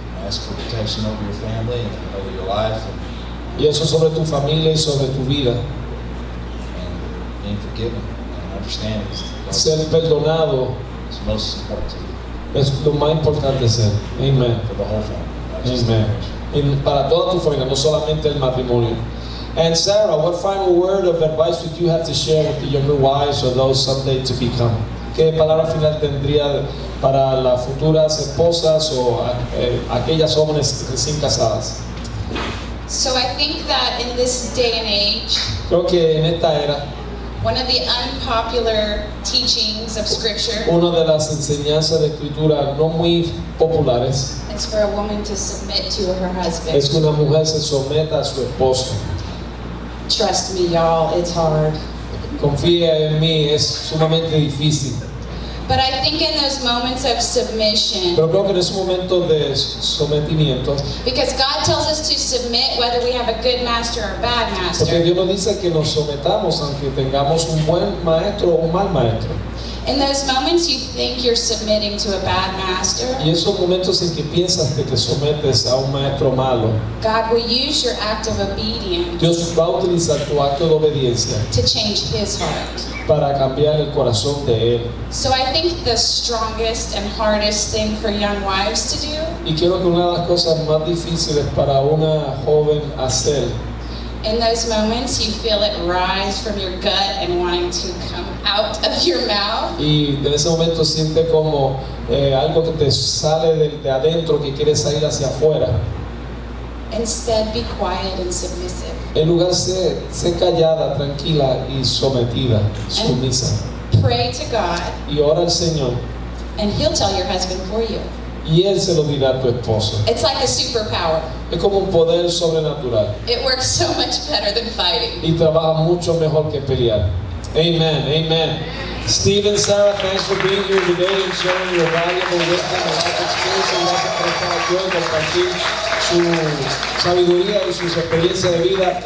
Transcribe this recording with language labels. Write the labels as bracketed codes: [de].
[en] Ask for protection over your family and over your life. [es] Y eso sobre tu familia y sobre tu vida. [en] And being forgiven. Understand. [es] Ser perdonado [en] is most important. [es] Es lo más importante ser. Amen. [en] For the whole family. [es] Amen. In, para toda tu familia, no solamente el matrimonio. [en] And Sarah, what final word of advice would you have to share with the younger wives or those someday to become? [es] ¿Qué palabra final tendría para las futuras esposas o aquellas jóvenes recién casadas? [en] So I think that in this day and age, [es] creo que en esta era, [en] one of the unpopular teachings of Scripture, [es] una de las enseñanzas de Escritura no muy populares, [en] is for a woman to submit to her husband. [es] Es que una mujer se someta a su esposo. [en] Trust me, y'all, it's hard. [es] Confía en mí, es sumamente difícil. [en] But I think in those moments of submission, [es] pero creo que en ese momento de sometimiento, [en] because God tells us to submit whether we have a good master or a bad master, [es] porque Dios nos dice que nos sometamos aunque tengamos un buen maestro o un mal maestro. [en] In those moments you think you're submitting to a bad master, [es] y esos momentos en que piensas que te sometes a un maestro malo, [en] God will use your act of obedience, [es] Dios va a utilizar tu acto de obediencia, [en] to change his heart, [es] para cambiar el corazón de él. [en] So I think the strongest and hardest thing for young wives to do, [es] y creo que una de las cosas más difíciles para una joven hacer, [en] in those moments you feel it rise from your gut and wanting to come out of your mouth. [es] Y en ese momento siente como algo que te sale de adentro que quiere salir hacia afuera. [en] Instead, be quiet and submissive. [es] En lugar sé callada, tranquila y sometida, sumisa. [en] And pray to God. [es] Y ora al Señor. [en] And he'll tell your husband for you. [es] Y él se lo dirá a tu esposo. [en] It's like a superpower. [es] Es como un poder sobrenatural. [en] It works so much better than fighting. [es] Y trabaja mucho mejor que pelear. Amen, amen. [en] Stephen, Sarah, thanks for being here today and sharing your valuable wisdom and life experience. [es] Y gracias por estar aquí hoy, compartir su sabiduría y sus experiencias de vida.